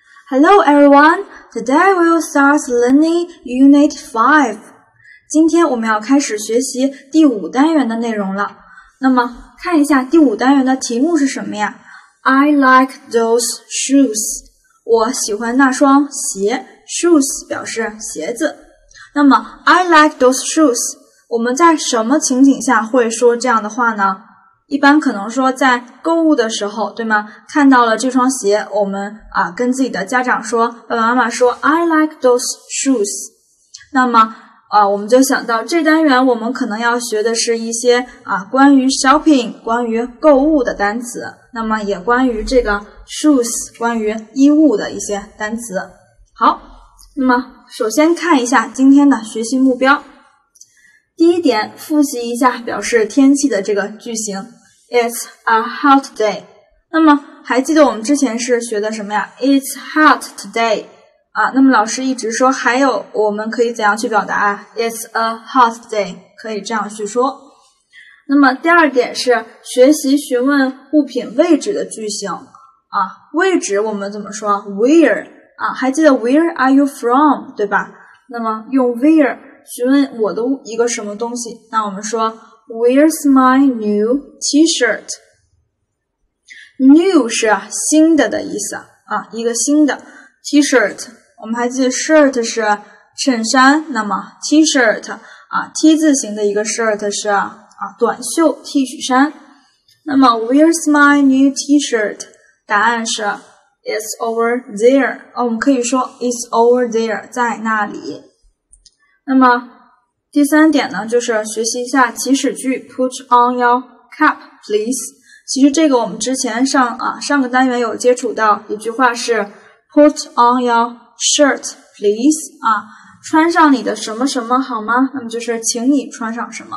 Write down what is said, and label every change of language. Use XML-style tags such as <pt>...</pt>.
<en>Hello everyone, today we'll start learning Unit 5.</en> <zh>今天我们要开始学习第五单元的内容了。那么看一下第五单元的题目是什么呀？</zh> <en>I like those shoes.</en> <zh>我喜欢那双鞋。 Shoes 表示鞋子。</zh> <en>那么 I like those shoes.</en> <zh>我们在什么情景下会说这样的话呢？一般可能说在购物的时候，对吗？看到了这双鞋，我们啊跟自己的家长说，爸爸妈妈说</zh> <en>I like those shoes.</en> <zh>那么啊我们就想到这单元我们可能要学的是一些啊关于 shopping, 关于购物的单词，那么也关于这个 shoes, 关于衣物的一些单词。好，那么首先看一下今天的学习目标。第一点，复习一下表示天气的这个句型</zh> <en>It's a hot day.</en> <zh>那么还记得我们之前是学的什么呀？</zh> <en>It's hot today.</en> <zh>啊，那么老师一直说还有我们可以怎样去表达啊？</zh> <en>It's a hot day.</en> <zh>可以这样去说。那么第二点是学习询问物品位置的句型啊，位置我们怎么说？</zh> <en>Where. 啊，</en> <zh>还记得</zh> <en>Where are you from?</en> <zh>对吧？那么用 where询问我的一个什么东西，那我们说</zh> <en>Where's my new t-shirt?</en> <zh>New 是新的的意思啊，一个新的 t-shirt, 我们还记得 shirt 是衬衫，那么 t-shirt 啊 T 字形的一个 shirt 是啊短袖 T 恤衫。</zh> <en>那么 Where's my new t-shirt? 答案是 It's over there, 我们可以说 It's over there,</en> <zh>在那里。那么第三点呢，就是学习一下祈使句</zh> <en>Put on your cap, please.</en> <zh>其实这个我们之前上个单元有接触到一句话是</zh> <en>Put on your shirt, please.</en> <zh>啊，穿上你的什么什么好吗？那么就是请你穿上什么。</zh>